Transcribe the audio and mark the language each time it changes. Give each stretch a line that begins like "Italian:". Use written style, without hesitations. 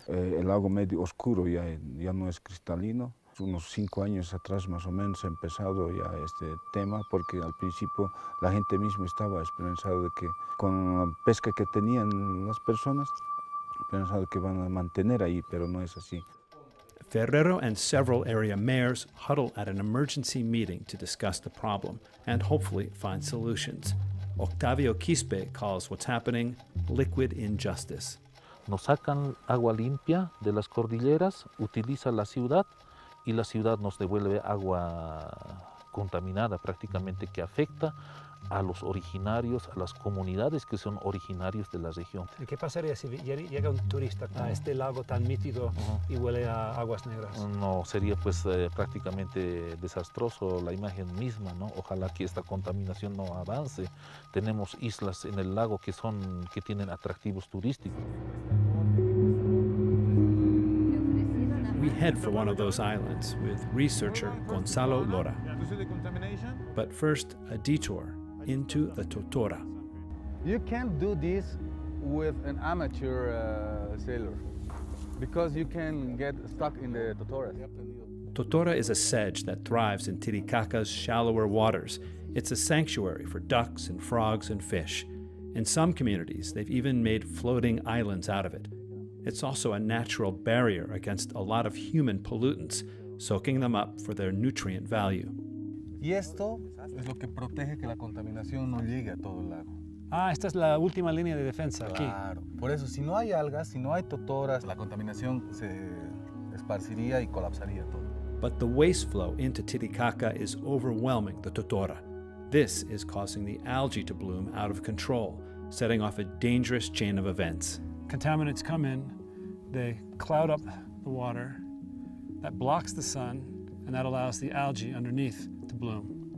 Spanish: El lago medio oscuro ya no es cristalino. Unos 5 años atrás más o menos ha empezado ya este tema, porque al principio la gente misma estaba esperanzada de que con la pesca que tenían las personas, pensado que van a mantener ahí, pero no es así.
English: Ferrero and several area mayors huddle at an emergency meeting to discuss the problem and hopefully find solutions. Octavio Quispe calls what's happening liquid injustice.
Spanish: Nos sacan agua limpia de las cordilleras, utiliza la ciudad y la ciudad nos devuelve agua contaminada prácticamente que afecta a los originarios, a las comunidades que son originarios de la región. ¿Y qué pasaría si llega un turista a este lago tan mítido y huele a aguas negras? No, sería pues prácticamente desastroso la imagen misma, ¿no? Ojalá que esta contaminación no avance. Tenemos islas en el lago que tienen atractivos turísticos.
English: We head for one of those islands with researcher Gonzalo Lora. But first, a detour into the Totora. You can't do this with an amateur sailor because you can get stuck in the Totora. Totora is a sedge that thrives in Titicaca's shallower waters. It's a sanctuary for ducks and frogs and fish. In some communities, they've even made floating islands out of it. It's also a natural barrier against a lot of human pollutants, soaking them up for their nutrient value.
Spanish: Y esto es lo que protege que la contaminación no llegue a todo el lago. Ah, esta es la última línea de defensa claro. Aquí. Claro. Por eso, si no hay algas, si no hay totoras, la contaminación se esparciría y colapsaría todo.
English: But the waste flow into Titicaca is overwhelming the totora. This is causing the algae to bloom out of control, setting off a dangerous chain of events. Contaminants come in, they cloud up the water, that blocks the sun, and that allows the algae underneath to bloom.